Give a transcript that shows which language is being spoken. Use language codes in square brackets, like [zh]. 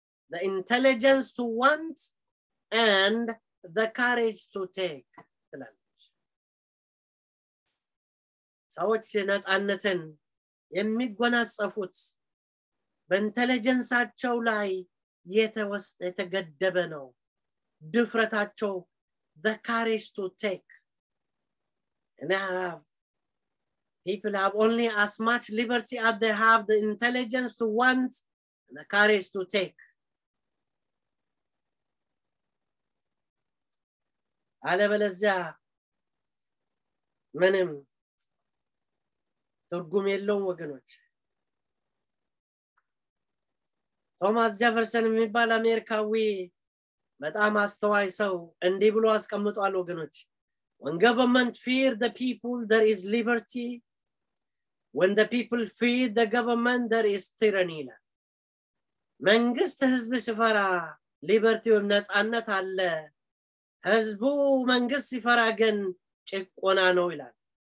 [en] the intelligence to want and the courage to take. [am] ሰዎችን ነጻነትን የሚጎናጸፉት በኢንተለጀንሳቸው ላይ የተገደበ ነው ድፍረታቸው [en] the courage to take. And people have only as much liberty as they have the intelligence to want and the courage to take. [am] አለበለዚያ ምንም ትርጉም የለውም ወገኖች. ቶማስ ጀፈርሰን የሚባል አሜሪካዊ በጣም አስተዋይ ሰው እንዲህ ብሎ አስቀምጧል ወገኖች. [en] When government fear the people, there is liberty. When the people fear the government, there is tyranny. [am] መንግስት ህዝብ ሲፈራ liberty ወይም ነጻነት አለ. ህዝቡ መንግስት ሲፈራ ግን ጭቆና ነው ይላል.